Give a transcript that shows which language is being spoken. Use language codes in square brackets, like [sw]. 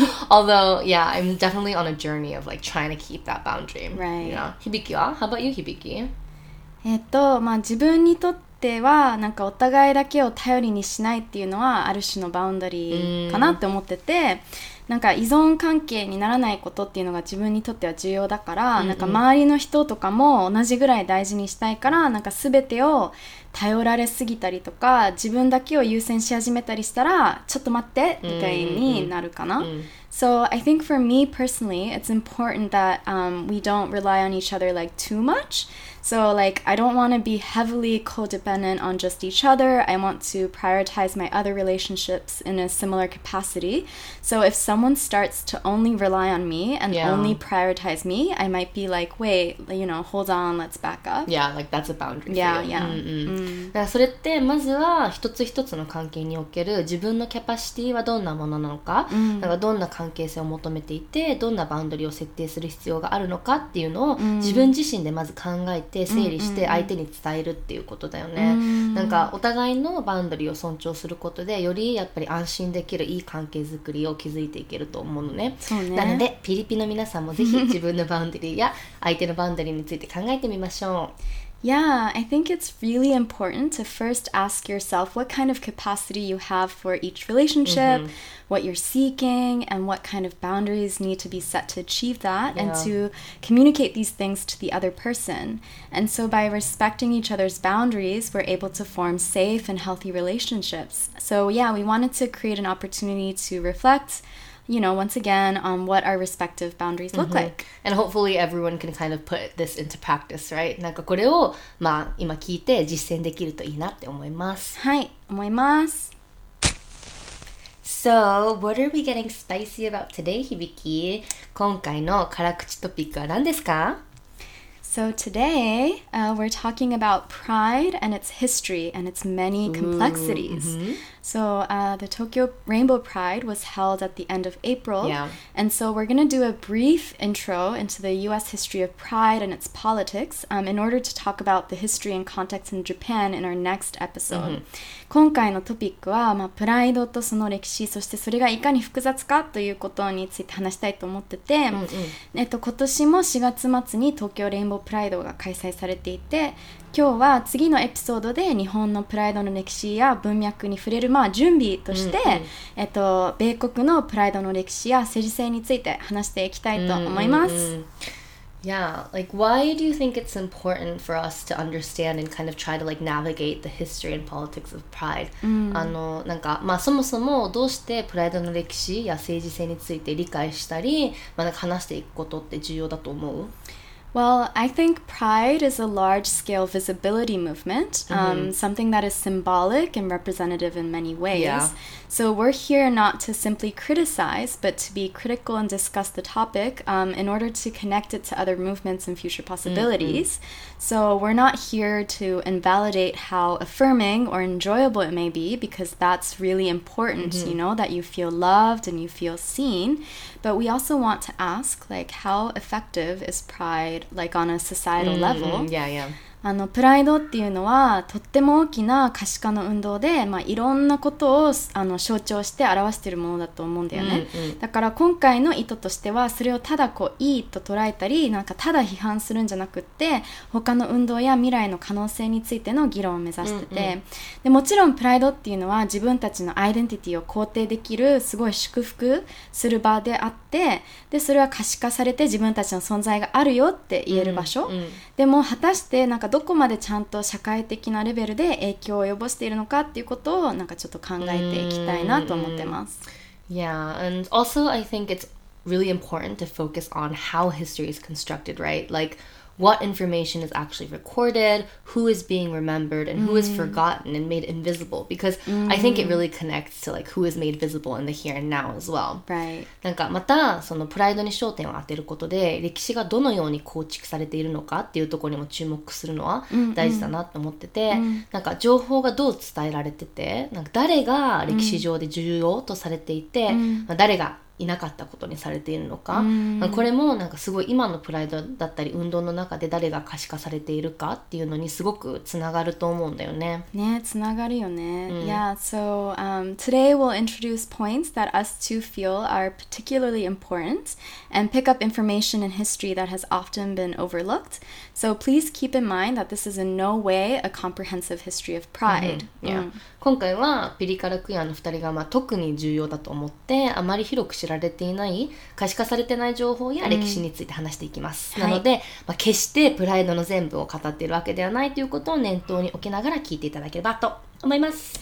[en] Although, yeah, I'm definitely on a journey of like trying to keep that boundary, right? You know, Hibiki wa? How about you, Hibiki? [ja] まあ自分にとってではなんかお互いだけを頼りにしないっていうのはある種のバウンダリーかなって思ってて、なんか依存関係にならないことっていうのが自分にとっては重要だから、うんうん、なんか周りの人とかも同じぐらい大事にしたいからなんか全てを頼られすぎたりとか自分だけを優先し始めたりしたらちょっと待ってみたいになるかな、うんうん、 [en] So I think for me personally, it's important that we don't rely on each other like too much. So like, I don't want to be heavily codependent on just each other. I want to prioritize my other relationships in a similar capacity. So if someone starts to only rely on me and only prioritize me, I might be like, wait, you know, hold on, let's back up. Yeah, like that's a boundary for you. Yeah, yeah. Mm-hmm. [ja] Mm. だからそれってまずは一つ一つの関係における自分のキャパシティはどんなものなのか、だからどんな関係性を求めていて、どんなバウンドリーを設定する必要があるのかっていうのを自分自身でまず考え整理して相手に伝えるっていうことだよね。なんかお互いのバウンダリーを尊重することでよりやっぱり安心できるいい関係づくりを築いていけると思うのね。そうね。なのでピリピの皆さんもぜひ自分のバウンダリーや相手のバウンダリーについて考えてみましょう。 [en] Yeah, I think it's really important to first ask yourself what kind of capacity you have for each relationship, mm-hmm. what you're seeking, and what kind of boundaries need to be set to achieve that, and to communicate these things to the other person. And so by respecting each other's boundaries, we're able to form safe and healthy relationships. So yeah, we wanted to create an opportunity to reflect, you know, once again, on what our respective boundaries look mm-hmm. like. And hopefully everyone can kind of put this into practice, right? [ja] なんかこれを、まあ、今聞いて実践できるといいなって思います。はい、思います。 [en] So, what are we getting spicy about today, Hibiki? [ja] 今回の辛口トピックは何ですか？ [en] So today, we're talking about pride and its history and its many complexities. Mm-hmm. So, the Tokyo Rainbow Pride was held at the end of April. Yeah. And so we're going to do a brief intro into the U.S. history of pride and its politics in order to talk about the history and context in Japan in our next episode. Mm-hmm. [ja] 今回のトピックは、まあ、プライドとその歴史、そしてそれがいかに複雑かということについて話したいと思ってて、 mm-hmm. 今年も4月末に東京レインボープライドが開催されていて、今日は次のエピソードで日本のプライドの歴史や文脈に触れる、まあ、準備として、うんうん、米国のプライドの歴史や政治性について話していきたいと思います。 [en] Yeah, like why do you think it's important for us to understand and kind of try to like navigate the history and politics of pride? Mm-hmm. [ja] なんか、まあ、そもそもどうしてプライドの歴史や政治性について理解したり、まあ、なんか話していくことって重要だと思う？ [en] Well, I think pride is a large-scale visibility movement, mm-hmm. Something that is symbolic and representative in many ways. Yeah. So we're here not to simply criticize, but to be critical and discuss the topic in order to connect it to other movements and future possibilities. Mm-hmm. So we're not here to invalidate how affirming or enjoyable it may be, because that's really important, mm-hmm. you know, that you feel loved and you feel seen. But we also want to ask, like, how effective is pride, like, on a societal level? Mm-hmm. Yeah, yeah. [ja] プライドっていうのはとっても大きな可視化の運動で、まあ、いろんなことを象徴して表しているものだと思うんだよね、うんうん、だから今回の意図としてはそれをただこういいと捉えたりなんかただ批判するんじゃなくって他の運動や未来の可能性についての議論を目指してて、うんうん、でもちろんプライドっていうのは自分たちのアイデンティティを肯定できるすごい祝福する場であってでそれは可視化されて自分たちの存在があるよって言える場所、うんうん、でも果たしてなんかどこまでちゃんと社会的なレベルで影響を及ぼしているのかっていうことをなんかちょっと考えていきたいなと思ってます。 [en] Yeah, and also I think it's really important to focus on how history is constructed, right? Like, what information is actually recorded, who is being remembered, and who is forgotten and made invisible. Because I think it really connects to like who is made visible in the here and now as well. Right. [ja] なんかまたそのプライドに焦点を当てることで歴史がどのように構築されているのかっていうところにも注目するのは大事だなと思ってて、なんか情報がどう伝えられてて、なんか誰が歴史上で重要とされていて、まあ、誰がいなかったことにされているのか、うん、これもなんかすごい今のプライドだったり運動の中で誰が可視化されているかっていうのにすごくつながると思うんだよね。ね、つながるよね。 [en] うん、yeah, so today we'll introduce points that us two feel are particularly important and pick up information in history that has often been overlooked. So please keep in mind that this is in no way a comprehensive history of pride. Mm-hmm. Yeah. Mm-hmm. [ja] 今回はピリカラクイアの2人がまあ特に重要だと思ってあまり広く知られていない可視化されてない情報や歴史について話していきます、うん、なので、はいまあ、決してプライドの全部を語っているわけではないということを念頭に置きながら聞いていただければと思います。